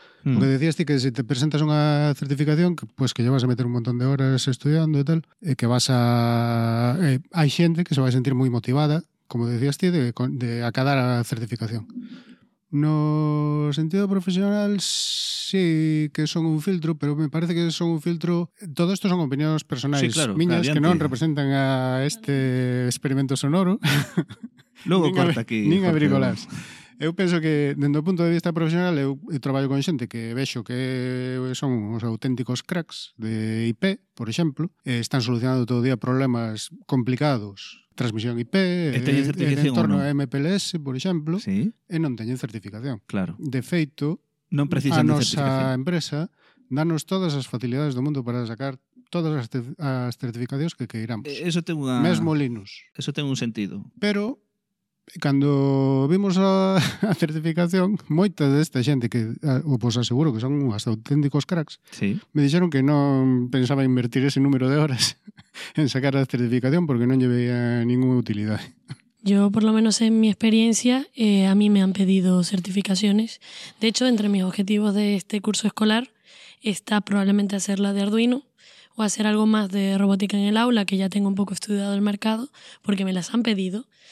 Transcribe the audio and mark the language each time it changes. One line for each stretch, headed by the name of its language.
Galician: Porque decías ti que se te presentas unha certificación,
Spanish: pues que llevas
Galician: a meter un montón de horas estudiando e tal, que vas a... hai xente que se vai sentir moi motivada, como decías ti, de acadar a certificación. No sentido profesional sí que son un filtro, pero me parece que son un filtro...
Spanish: Todo esto son opiniones personales, sí, claro,
Galician: miñas, que non representan a este experimento sonoro. Luego corta aquí. Nin a bricolás. Eu penso que, dentro do punto de vista profesional, eu traballo con xente que vexo que son os auténticos cracks de IP, por exemplo. Están solucionando todo o día problemas complicados. Transmisión IP, en entorno a MPLS, por exemplo, ¿sí? E non teñen certificación. Claro. De feito, non precisan a nosa empresa danos todas as facilidades do mundo para sacar todas as certificacións que queiramos. Eso ten unha... Mesmo Linux. Eso ten un sentido. Pero, cando vimos a certificación, moita desta xente, que vos aseguro que son unhas auténticos cracks, ¿sí? Me dixeron que non pensaba invertir ese número de horas en sacar a certificación porque non lle veía ninguna utilidade.
Spanish: Yo, por lo menos en mi experiencia, a mí me han pedido certificaciones. De hecho, entre mis objetivos de este curso escolar está probablemente hacerla de Arduino o hacer algo más de robótica en el aula, que ya tengo un poco estudiado el mercado, porque me las han pedido.